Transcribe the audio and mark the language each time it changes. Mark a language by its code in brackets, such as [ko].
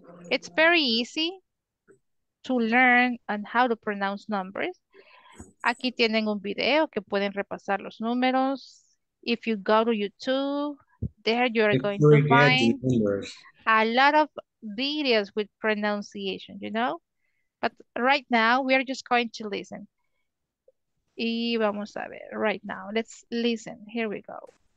[en] It's very easy to learn and how to pronounce numbers. [es] Aquí tienen un video que pueden repasar los números. [en] If you go to YouTube, there you are going to find a lot of videos with pronunciation, you know? But right now, we are just going to listen. [es] Y vamos a ver, [en] right now, let's listen. Here we go.